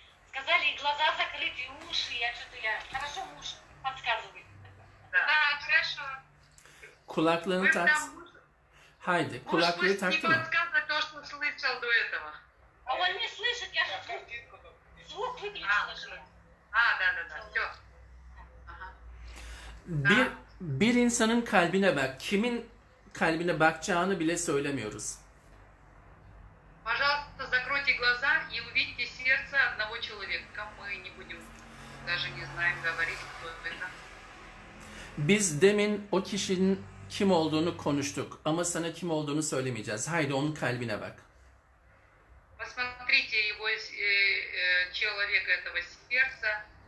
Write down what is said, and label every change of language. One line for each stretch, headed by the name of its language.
Russian: Сказали, и глаза закрыты, и уши. Я что-то я. Хорошо, муж подсказывает. Да, да, хорошо.
Turkish: Кулаклыны так. Хайди, кулаклы так.
Russian: Не подсказывай то, что слышал до этого. А он не слышит, я же звук выключила же. А, да, да, да. Все.
Turkish: Bir insanın kalbine bak. Kimin kalbine bakacağını bile söylemiyoruz.
Russian: Пожалуйста, закройте глаза и увидьте сердце одного человека. Мы не будем даже не знаем говорить, кто это.
Turkish: Biz demin o kişinin kim olduğunu konuştuk ama sana kim olduğunu söylemeyeceğiz. Haydi onun kalbine bak.
Russian: Посмотрите его человека этого сердца.